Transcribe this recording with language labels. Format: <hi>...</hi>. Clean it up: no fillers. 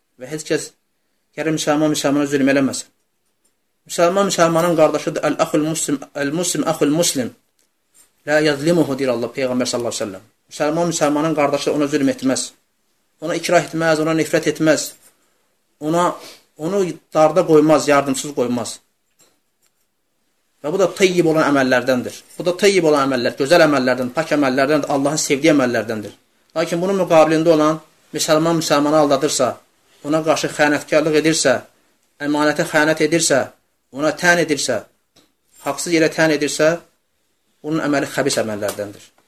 <az>Və heç kəs gərək müsəlman müsəlmana zülm eləməsə. Müsəlman müsəlmanın qardaşıdır.</az> <ar>Əl-əxül-müslim, əl-müslim, əxül-müslim. Lə yəzlimuhu,</ar> <az>deyir</az> <ar>Allah, Peyğəmbər sallallahu aleyhi ve sellem.</ar> <az>Müsəlman müsəlmanın qardaşı ona zülm etməz. Ona ikrah etməz, ona nifrət etməz. Onu darda qoymaz, yardımsız qoymaz. Və bu da tayyib olan əməllərdəndir. Bu da tayyib olan əməllər, gözəl əməllərdən, pak əməllərdən, Allahın sevdiyi əməllərdəndir. Lakin bunun müqabilində olan müsəlman müsəlmanı aldadırsa, ona qarşı xəyanətkarlıq edirsə, əmanətə xəyanət edirsə, ona tən edirsə, haqsız yerə tən edirsə, bunun əməli xəbis əməllərdəndir.</az>